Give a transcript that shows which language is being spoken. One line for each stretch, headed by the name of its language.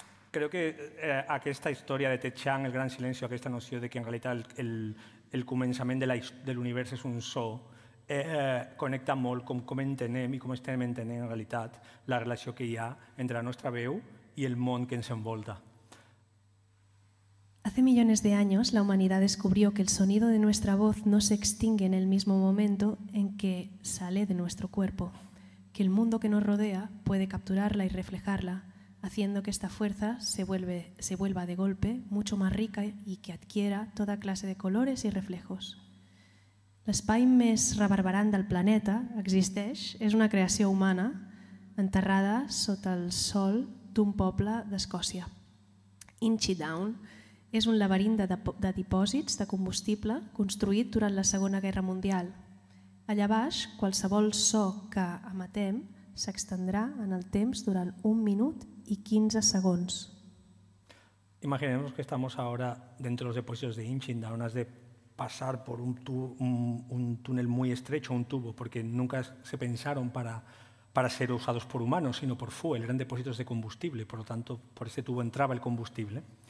Catalan: Creo que aquesta història de Ted Chiang, el gran silenci, aquesta noció de que en realitat el començament de l'univers és un so, connecta molt com entenem i com estem entenent en realitat la relació que hi ha entre la nostra veu i el món que ens envolta.
Spanish: Hace millones de años la humanidad descubrió que el sonido de nuestra voz no se extingue en el mismo momento en que sale de nuestro cuerpo, que el mundo que nos rodea puede capturarla y reflejarla, haciendo que esta fuerza se vuelva de golpe mucho más rica y que adquiera toda clase de colores y reflejos.
Catalan: L'espai més rabarbarant del planeta existeix, és una creació humana enterrada sota el sol d'un poble d'Escòcia. Inchidown és un laberint de dipòsits de combustible construït durant la Segona Guerra Mundial. Allà baix, qualsevol so que emetem s'extendrà en el temps durant 1 minut i 15 segons.
Spanish: Imaginemos que estamos ahora dentro de los depósitos de Inchidown, has de pasar por un túnel muy estrecho, un tubo, porque nunca se pensaron para ser usados por humanos, sino por fuel, eran depósitos de combustible, por lo tanto, por ese tubo entraba el combustible.